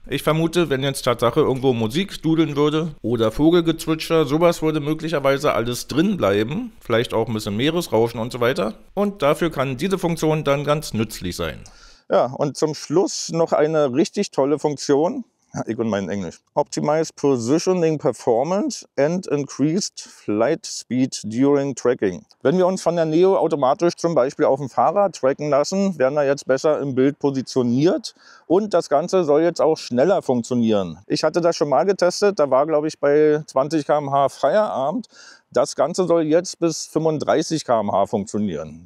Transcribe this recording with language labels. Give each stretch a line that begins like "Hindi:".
German: Ich vermute, wenn jetzt Tatsache irgendwo Musik dudeln würde oder Vogelgezwitscher, sowas würde möglicherweise alles drin bleiben, vielleicht auch ein bisschen Meeresrauschen und so weiter. Und dafür kann diese Funktion dann ganz nützlich sein. Ja, und zum Schluss noch eine richtig tolle Funktion. Ja, ich und mein Englisch.
English: Optimized Positioning Performance and Increased Flight Speed During Tracking.
German: Wenn wir uns von der Neo automatisch zum Beispiel auf dem Fahrrad tracken lassen, werden wir jetzt besser im Bild positioniert. Und das Ganze soll jetzt auch schneller funktionieren. Ich hatte das schon mal getestet, da war glaube ich bei 20 km/h Feierabend. Das Ganze soll jetzt bis 35 km/h funktionieren.